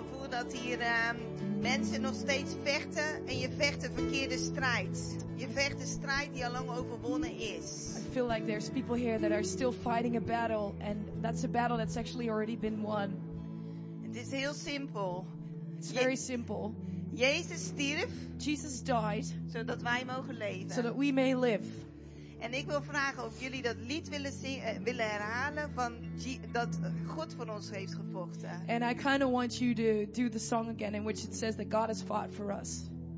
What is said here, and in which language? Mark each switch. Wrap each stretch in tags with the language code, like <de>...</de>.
<nl>dat hier mensen nog steeds vechten en je vecht een verkeerde strijd. Je vecht een strijd die al lang overwonnen is.</nl> <en>I feel like there's people here that are still fighting a battle and that's a battle that's actually already been won.</en> <nl>Het is heel simpel.</nl> <en>It's very simple.</en> <nl>Jezus stierf.</nl> <en>Jesus died.</en> <nl>Zodat wij mogen leven.</nl> <en>So that we may live.</en> <nl>En ik wil vragen of jullie dat lied willen herhalen van dat God voor ons heeft gevochten.</nl> <en>And I kind of want you to do the song again in which it says that God has fought for us.</en>